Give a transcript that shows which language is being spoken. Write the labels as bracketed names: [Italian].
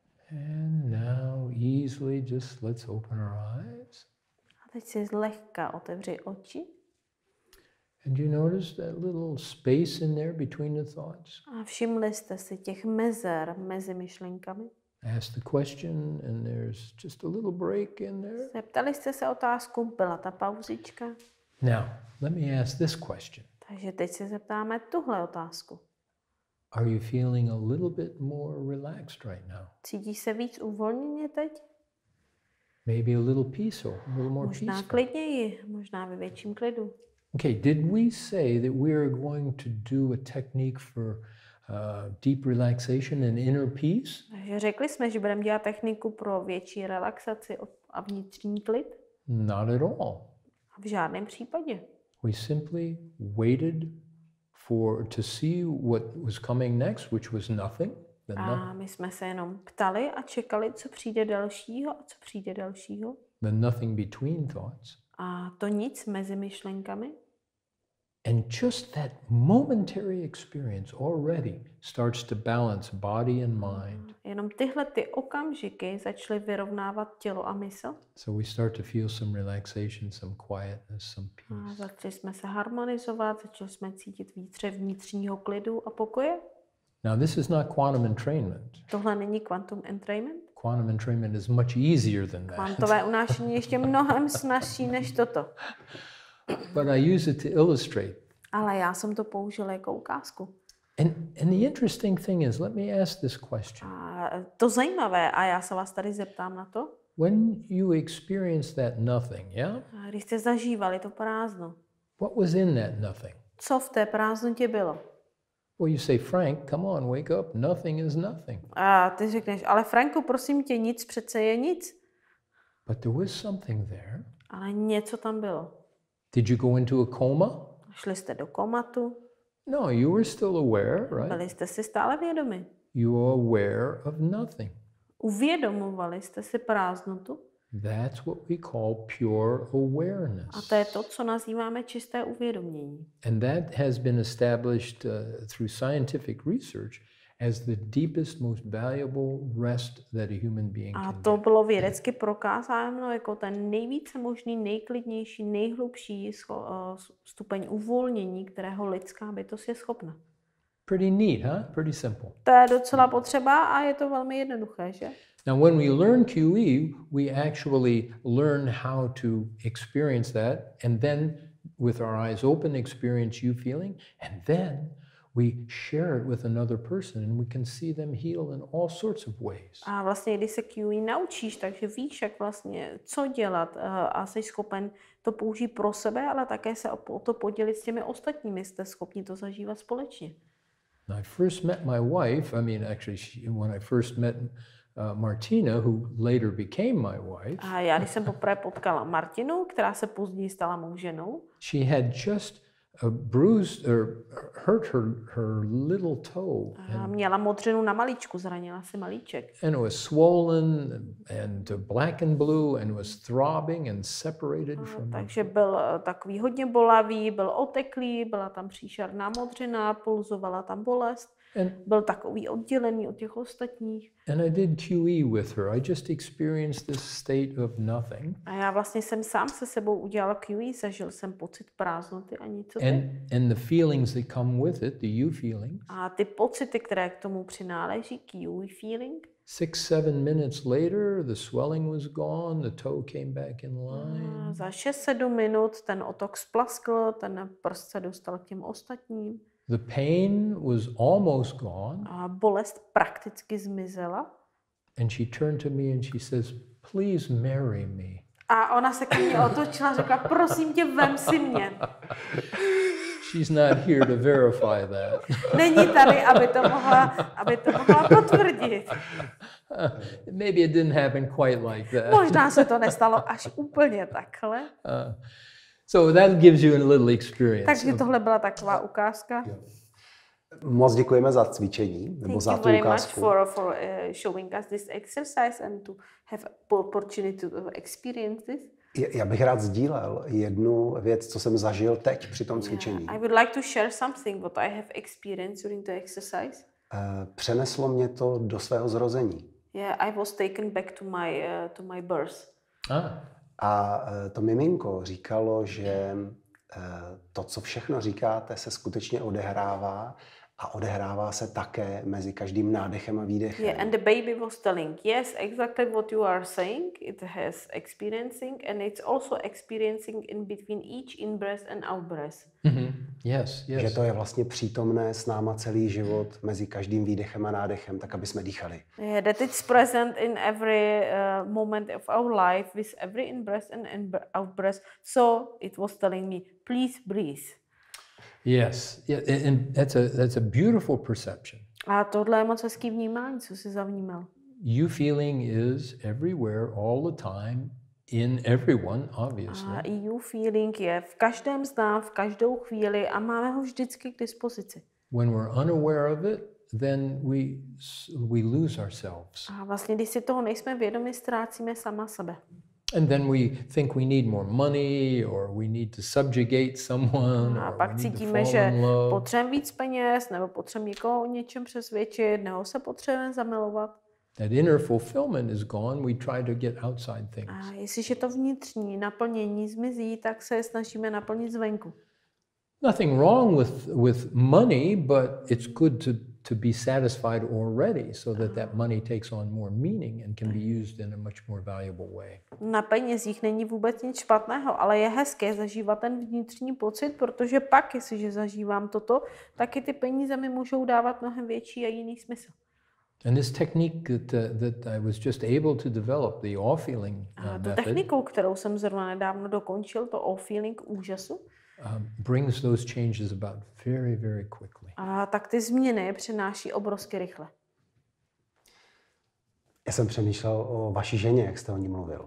[English] And now easily just let's open our eyes. [Czech] A teď si zlehka otevři oči. [English] And you notice that little space in there between the thoughts? [Czech] A všimli jste si těch mezer mezi myšlenkami? [English] Ask the question and there's just a little break in there. [Czech] Zeptali jste se otázku, byla ta pauzička? [English] Now, let me ask this question. [Czech] Takže teď se zeptáme tuhle otázku. [English] Are you feeling a little bit more relaxed right now? [Czech] Cítíš se víc uvolněně teď? [English] Maybe a little peaceful, a little more peaceful. [Czech] Možná klidněji, možná ve větším klidu. [English] Okay, did we say that we are going to do a technique for deep relaxation and inner peace? [Czech] Řekli jsme, že budeme dělat techniku pro větší relaxaci a vnitřní klid? [English] Not at all. [Czech] V žádném případě. [English] We simply waited for to see what was coming next, which was nothing. [Czech] A my jsme se jenom ptali a čekali, co přijde dalšího a co přijde dalšího. [English] The nothing between thoughts. [Czech] A to nic mezi myšlenkami. [English] And just that momentary experience already starts to balance body and mind. [Czech] Jenom tyhle ty okamžiky začaly vyrovnávat tělo a mysl. [English] So we start to feel some relaxation, some quietness, some peace. [Czech] A začali jsme se harmonizovat, začali jsme cítit vnitře vnitřního klidu a pokoje. [English] Now this is not quantum entrainment. [Czech] Tohle není quantum entrainment. [English] Quantum entrainment is much easier than that. [Czech] Kvantové unášení ještě mnohem snazší než toto. [English] But I use it to illustrate. [Czech] Ale já jsem to použil jako ukázku. [English] And the interesting thing is, let me ask this question. [Czech] To zajímavé, a já se vás tady zeptám na to. [English] When you experienced that nothing, yeah? [Czech] Když jste zažívali to prázdno. [English] What was in that nothing? [Czech] Co v té prázdnotě bylo? [English] Well, you say, Frank, come on, wake up. Nothing is nothing. [Czech] A ty řekneš, ale Franku, prosím tě, nic přece je nic. [English] But there was something there. [Czech] Ale něco tam bylo. [English] Did you go into a coma? [Czech] Šli jste do komatu? [English] No, you were still aware, right? [Czech] Byli jste si stále vědomi. [English] You are aware of nothing. [Czech] Uvědomovali jste si prázdnotu? [English] That's what we call pure awareness. [Czech] A to je to, co nazýváme čisté uvědomění. [English] And that has been established through scientific research as the deepest, most valuable rest that a human being can have. [Czech] A to bylo vědecky prokázáno jako ten nejvíce možný, nejklidnější, nejhlubší stupeň uvolnění, kterého lidská bytost je schopna. [English] Pretty neat, huh? Pretty simple. [Czech] To je docela potřeba a je to velmi jednoduché, že? [English] Now when we learn QE, we actually learn how to experience that and then with our eyes open experience you feeling and then we share it with another person and we can see them heal in all sorts of ways. [Czech] A vlastně když se QE naučíš, takže víš jak vlastně co dělat a jsi schopen to použít pro sebe, ale také se o to podělit s těmi ostatními, jste schopni to zažívat společně. [English] I first met my wife, I mean actually she, when I first met Martina, who later became my wife. [Czech] A já jsem poprvé potkala Martinu, která se později stala mou ženou. [English] She had just bruised or hurt her little toe. [Czech] A měla modřinu na malíčku, zranila si malíček. [English] And it was swollen and black and blue and was throbbing and separated from her. [Czech] Takže byl takový hodně bolavý, byl oteklý, byla tam příšerná modřina, pulzovala tam bolest. [English] And [Czech] byl takový oddělený od těch ostatních. [English] And I did QE with her. I just experienced this state of nothing. [Czech] A já vlastně jsem sám se sebou udělal QE, zažil jsem pocit prázdnoty a nicoty. [English] And the feelings that come with it, the you feelings. [Czech] A ty pocity, které k tomu přináleží, QE feeling. [English] 6-7 minutes later, the swelling was gone, the toe came back in line. [Czech] A za 6-7 minut ten otok splaskl, ten prst se dostal k těm ostatním. [English] The pain was almost gone. [Czech] A bolest prakticky zmizela. [English] And she turned to me and she says, "Please marry me." [Czech] A ona se ke mně otočila a řekla, "Prosím tě, vem si mě." [English] She's not here to verify that. [Czech] Není tady, aby to mohla potvrdit. [English] Maybe it didn't happen quite like that. [Czech] Možná se to nestalo až úplně takhle. [English] So that gives you a little experience. [Czech] Takže tohle byla taková ukázka. Moc děkujeme za cvičení nebo [English] Thank [Czech] za tu ukázku. [English] Thank you very much for showing us this exercise and to have opportunity to experience this. [Czech] Já bych rád sdílel jednu věc, co jsem zažil teď při tom cvičení. [English] Yeah, I would like to share something what I have experienced during the exercise. [Czech] Přeneslo mě to do svého zrození. [English] Yeah, I was taken back to my birth. [Czech] A to miminko říkalo, že to, co všechno říkáte, se skutečně odehrává a odehrává se také mezi každým nádechem a výdechem. [English] Yeah, and the baby was telling, yes, exactly what you are saying, it has experiencing and it's also experiencing in between each in-breath and out-breath. Mm-hmm. Yes, yes. [Czech] Že to je vlastně přítomné s náma celý život mezi každým výdechem a nádechem, tak aby jsme dýchali. [English] Yeah, that it's present in every moment of our life with every in-breath and out-breath. So it was telling me, please breathe. Yes, yeah, and that's a beautiful perception. [Czech] A tohle je moc hezký vnímání, co jsi zavnímal. [English] You feeling is everywhere, all the time, in everyone, obviously. [Czech] A you feeling je v každém z nás, v každou chvíli a máme ho vždycky k dispozici. [English] When we're unaware of it, then we lose ourselves. [Czech] A vlastně, když si toho nejsme vědomi, ztrácíme sama sebe. [English] And then we think we need more money or we need to subjugate someone. [Czech] A pak cítíme, že potřebujeme víc peněz nebo potřebujeme někoho o něčem přesvědčit, nebo se potřebujeme zamilovat. [English] That inner fulfillment is gone, we try to get outside things. [Czech] A jestliže to vnitřní naplnění zmizí, tak se snažíme naplnit zvenku. [English] Nothing wrong with money, but it's good to to be satisfied already so that that money takes on more meaning and can be used in a much more valuable way. [Czech] Na penězích není vůbec nic špatného, ale je hezké zažívat ten vnitřní pocit, protože pak, jestliže zažívám toto, taky ty peníze mi můžou dávat mnohem větší a jiný smysl. [English] And this technique that I was just able to develop, the awe feeling method. [Czech] A tu techniku, kterou jsem zrovna nedávno dokončil, to awe feeling úžasu. [English] Brings those changes about very, very quickly. [Czech] A tak ty změny přináší obrovsky rychle. Já jsem přemýšlel o vaší ženě, jak jste o ní mluvil.